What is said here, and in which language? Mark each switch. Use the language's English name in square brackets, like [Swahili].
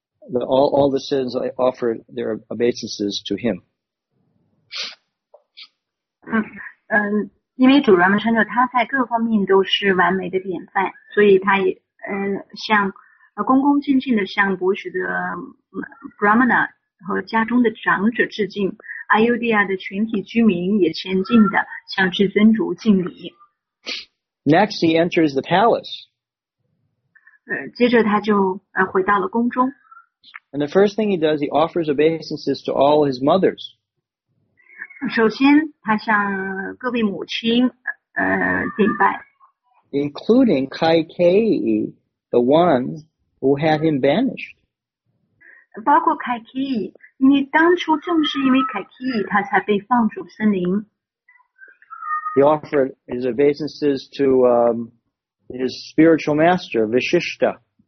[English] All the citizens offer their obeisances to him. [Chinese] 因为主 Ramachandra 他在各方面都是完美的典范，所以他也向恭恭敬敬的向博学的 Brahmana 和家中的长者致敬。 Ayodhya 的全体居民也虔敬的向至尊主敬礼。 [English] Next he enters the palace. [Chinese] 接着他就回到了宫中。 [English] And the first thing he does, he offers obeisances to all his mothers. [Chinese] 首先他向各位母亲敬拜。 [English] Including Kaikeyi, the one who had him banished. [Chinese] 包括 Kaikeyi, 你当初正是因为 Kaikeyi 他才被放逐森林。 [English] He offered his obeisances to his spiritual master, Vishishta.